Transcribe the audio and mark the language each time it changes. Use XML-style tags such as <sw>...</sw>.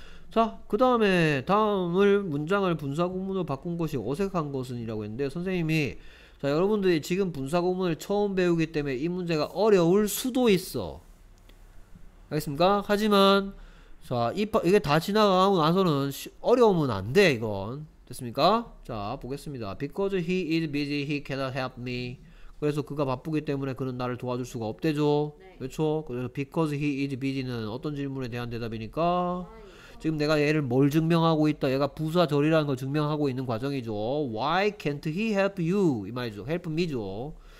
<ko>자, 그 다음에 다음을 문장을 분사구문으로 바꾼 것이 어색한 것은 이라고 했는데 선생님이 자 여러분들이 지금 분사구문을 처음 배우기 때문에 이 문제가 어려울 수도 있어. 알겠습니까? 하지만 자 이게 다 지나가고 나서는 어려우면 안 돼 이건. 됐습니까? 자 보겠습니다.</ko> <en>Because he is busy he cannot help me.</en> <ko>그래서 그가 바쁘기 때문에 그는 나를 도와줄 수가 없대죠. 네. 그렇죠? 그래서</ko> <en>because he is busy</en> <ko>는 어떤 질문에 대한 대답이니까 지금 내가 얘를 뭘 증명하고 있다. 얘가 부사절이라는 걸 증명하고 있는 과정이죠.</ko> <en>Why can't he help you?</en> <ko>이 말이죠.</ko> <en>Help me죠.</en>